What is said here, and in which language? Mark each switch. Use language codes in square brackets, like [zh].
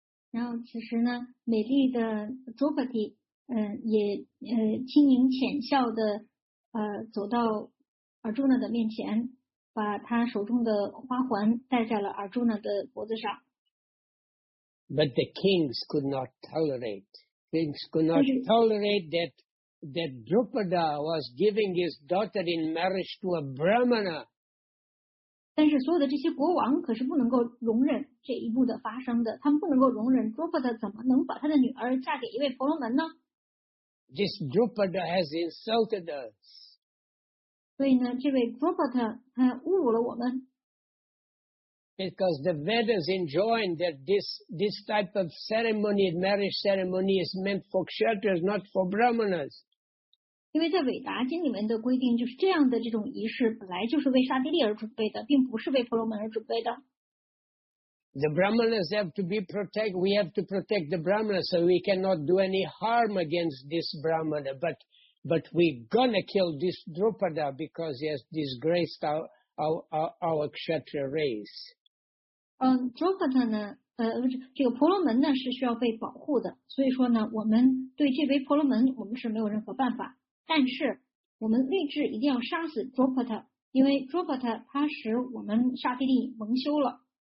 [zh] 然后此时呢，美丽的 Draupadi 也轻盈浅笑的走到 Arjuna 的面前，把他手中的花环戴在了 Arjuna 的脖子上。 [en] But the kings could not tolerate. Kings could not tolerate that Drupada was giving his daughter in marriage to a Brahmana. [zh] 但是所有的这些国王可是不能够容忍这一幕的发生的，他们不能够容忍 Drupada 怎么能把他的女儿嫁给一位婆罗门呢？ [en] This Drupada has insulted us. [zh] 所以呢，这位 Drupada 他侮辱了我们。 [en] Because the Vedas enjoin that this type of ceremony, marriage ceremony, is meant for kshatriyas, not for brahmanas. [zh] 因为在韦达经里面的规定，就是这样的这种仪式本来就是为刹帝利而准备的，并不是为婆罗门而准备的。 [en] The brahmanas have to be protect. We have to protect the brahmanas, so we cannot do any harm against this brahmana. But we're gonna kill this Drupada because he has disgraced our kshatriya race. [zh] Drupada 呢这个婆罗门呢是需要被保护的，所以说呢我们对这位婆罗门我们是没有任何办法，但是我们立志一定要杀死 Drupada, 因为 Drupada 他使我们刹帝利蒙羞了。